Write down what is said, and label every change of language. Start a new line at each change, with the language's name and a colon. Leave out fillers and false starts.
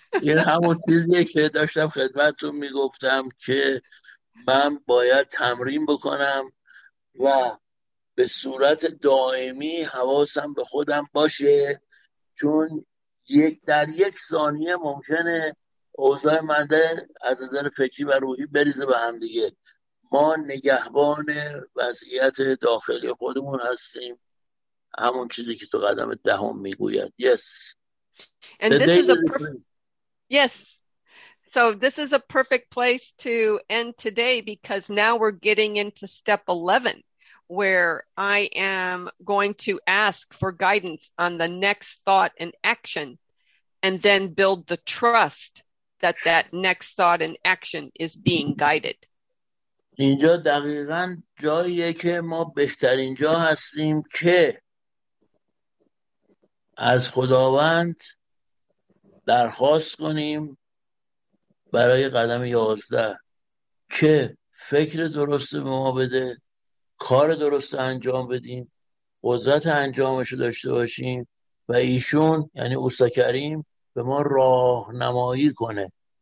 Persian: این همون چیزیه که داشتم خدمتتون میگفتم که من باید تمرین بکنم و به صورت دائمی حواسم به خودم باشه، چون یک در یک ثانیه ممکنه اوضاع منده از نظر فکری و روحی بریزه به هم دیگه. ما نگهبان وضعیت داخلی خودمون هستیم، همون چیزی که تو قدم دهم میگوید.
English: Yes. And this is a perfect, yes. So this is a perfect place to end today because now we're getting into step 11, where I am going to ask for guidance on the next thought and action, and then build the trust that that next thought and action is being guided.
Persian: اینجا دقیقاً جاییه که ما بهترین جا هستیم که از خداوند درخواست کنیم برای قدم 11 که فکر درست به ما بده، کار درست انجام بدیم، قدرت انجامش رو داشته باشیم و ایشون یعنی استاد کریم به ما راهنمایی کنه.